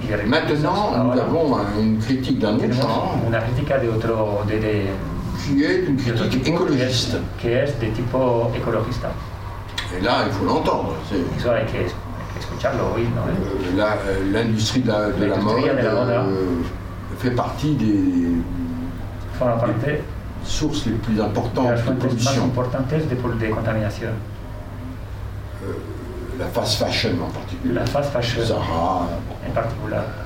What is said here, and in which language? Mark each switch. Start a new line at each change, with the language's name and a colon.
French: Maintenant, nous avons une critique d'un autre genre.
Spanish: Una crítica de otro, de,
French: qui est une critique écologiste.
Spanish: Que es de tipo ecologista.
French: Et là, il faut l'entendre.
Spanish: Eso hay que escucharlo, oui, no,
French: l'industrie de la mode.
Spanish: De la moda,
French: fait partie des sources les plus importantes de contamination. La fast fashion en particulier.
Spanish: La fast fashion. Zara.
French: En particulier.